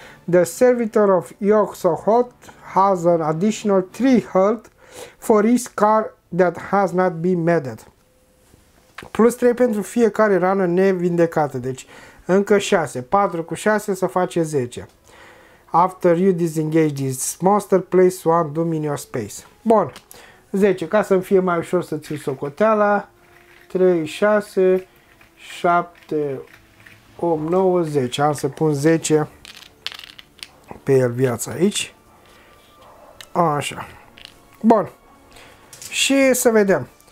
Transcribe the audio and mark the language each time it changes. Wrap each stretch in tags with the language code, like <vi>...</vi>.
<en>The servitor of Yog-Sothoth has an additional 3 health for each car that has not been medded.</en> <ro>Plus 3 pentru fiecare rană nevindecată. Deci încă 6. 4 cu 6 să face 10.</ro> <en>After you disengage this monster, place one doom in your space.</en> <ro>Bun. 10. Ca să-mi fie mai ușor să țin socoteala. 3, 6, 7, 8, 9, 10. Am să pun 10 pe el viața aici. Așa. Bun. Și să vedem.</ro>